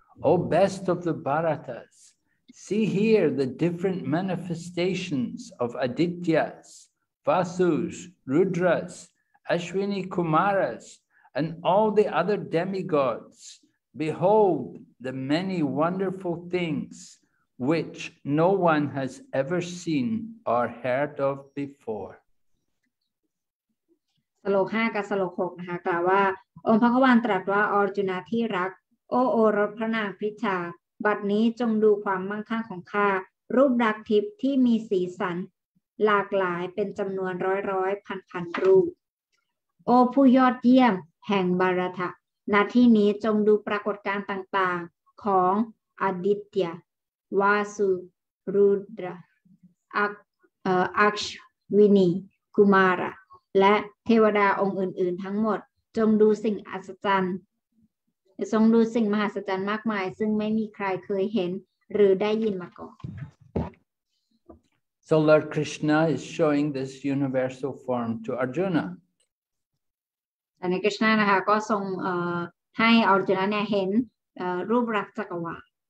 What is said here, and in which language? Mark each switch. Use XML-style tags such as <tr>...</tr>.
<en>O best of the Bharatas, see here the different manifestations of Adityas, Vasus, Rudras, Ashwini Kumaras, and all the other demigods, behold the many wonderful things which no one has ever seen or heard of before.</en> <th>สโลก5กับสโลก6นะคะกล่าวว่าองค์พระผู้ตรัสว่าอร์จุนาที่รักโอ้โอรสพระนางพริชาบัดนี้จงดูความมั่งคั่งของข้ารูปรักทิพย์ที่มีสีสันหลากหลายเป็นจำนวนร้อยร้อยพันพันรูปโอผู้ยอดเยี่ยมแห่งบารัตะณที่นี้จงดูปรากฏการณ์ต่างๆของอดิตยวาสุรุดร อักษวินีกุมาระและเทวดาองค์อื่นๆทั้งหมดจงดูสิ่งอัศจรรย์จงดูสิ่งมหัศจรรย์มากมายซึ่งไม่มีใครเคยเห็นหรือได้ยินมาก่อน</th> <en>So Lord Krishna is showing this universal form to Arjuna.</en> <th>And Krishna นะคะก็ทรงให้ Arjuna เนี่ยเห็นรูปรักษ์จักรวาล</th>